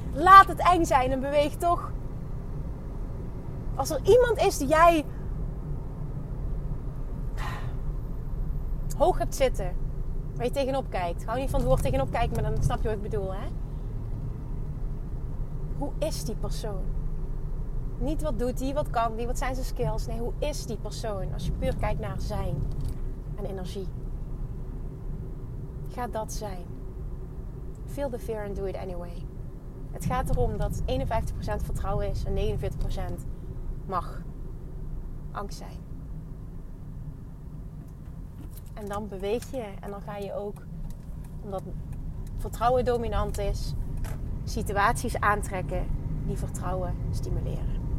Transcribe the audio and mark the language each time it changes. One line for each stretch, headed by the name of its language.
Dutch: Laat het eng zijn en beweeg toch. Als er iemand is die jij hoog hebt zitten, waar je tegenop kijkt. Hou niet van het woord tegenop kijken, maar dan snap je wat ik bedoel, hè? Hoe is die persoon? Niet wat doet die, wat kan die, wat zijn zijn skills. Nee, hoe is die persoon als je puur kijkt naar zijn en energie? Ga dat zijn.
English: Feel the fear and do it anyway.
Dutch: Het gaat erom dat 51% vertrouwen is en 49% mag angst zijn. En dan beweeg je en dan ga je ook, omdat vertrouwen dominant is, situaties aantrekken die vertrouwen stimuleren.